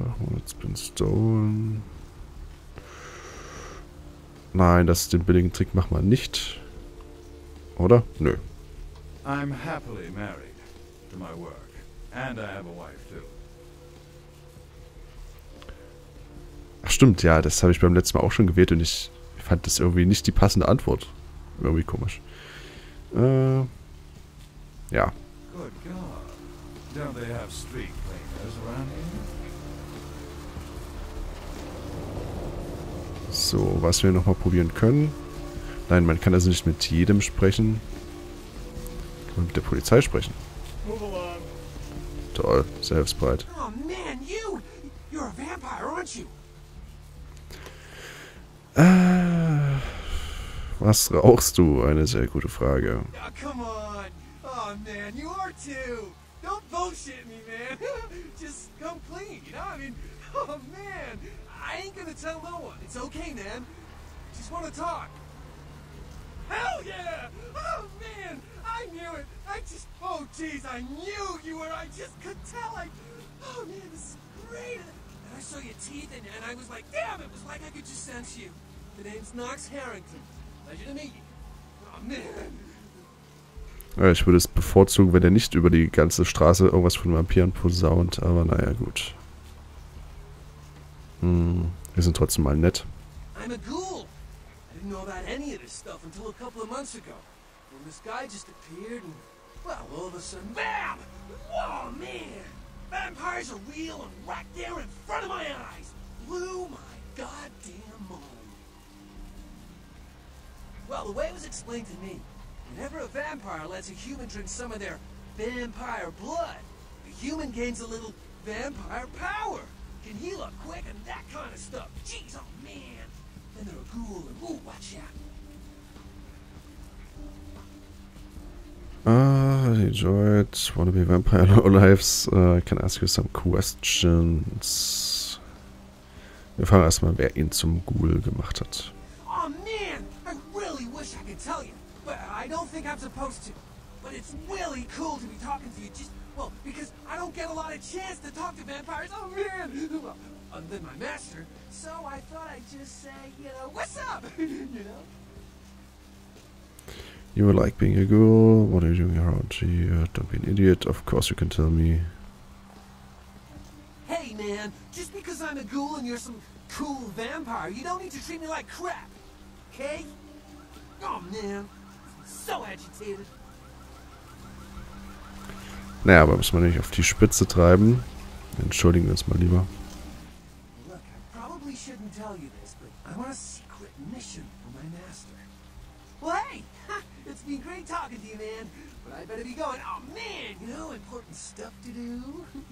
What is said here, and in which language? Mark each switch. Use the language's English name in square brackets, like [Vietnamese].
[English] What's been stolen? [German] Nein, das ist den billigen Trick, mach mal nicht. Oder? Nö. [English] I'm happily married to my work. And I have a wife too. [German] Ach stimmt, ja, das habe ich beim letzten Mal auch schon gewählt und ich fand das irgendwie nicht die passende Antwort. Irgendwie komisch. Ja. [English] Good God. Don't they have street cleaners around here? [German] So, was wir nochmal probieren können. Nein, man kann also nicht mit jedem sprechen. Kann man mit der Polizei sprechen. Toll, selbstbereit. [English] Oh man, you! You're a vampire, aren't you? [German] Was rauchst du? Eine sehr gute Frage. [English] Oh, come on! Oh man, you are too! Don't bullshit me, man! Just come clean, you know? I mean, oh man! I ain't gonna tell no one. It's okay, man. Just wanna talk. Hell yeah! Oh man! I knew it! Oh jeez, I knew you were! I just could tell! Oh man, this is great! And I saw your teeth and I was like, damn, it was like I could just sense you. The name's Knox Harrington. Pleasure to meet you. Oh man! [German] Ich würde es bevorzugen, wenn er nicht über die ganze Straße irgendwas von Vampiren posaunt, aber naja, gut. Wir sind trotzdem mal nett. [English] I'm a ghoul. I didn't know about any of this stuff until a couple of months ago. When this guy just appeared and, well, all of a sudden, bam! Oh, man! Vampires are real and right there in front of my eyes! Blew my goddamn mind. Well, the way it was explained to me, whenever a vampire lets a human drink some of their vampire blood, the human gains a little vampire power. Can heal up quick and that kind of stuff. Jeez, oh man. Then they're a ghoul and ooh, watch out. Enjoyed. Wanna be a vampire in our lives? Can I ask you some questions? [German] Wir fragen erstmal, wer ihn zum Ghoul gemacht hat. [English] Oh man, I really wish I could tell you. But I don't think I'm supposed to. But it's really cool to be talking to you. Just, well, because I don't get a lot of chance to talk to vampires. Oh man! Well, other than my master. So I thought I'd just say, you know, what's up? You know? You would like being a ghoul? What are you doing around here? Don't be an idiot. Of course you can tell me. Hey man, just because I'm a ghoul and you're some cool vampire, you don't need to treat me like crap. Okay? Oh man, so agitated. [German] Naja, aber müssen wir nicht auf die Spitze treiben. Entschuldigen wir uns mal lieber. [English] Look, I probably shouldn't tell you this, but I'm on a secret mission for my master. Well, hey! It's been great talking to you, man. But I better be going. Oh, man! You know, important stuff to do.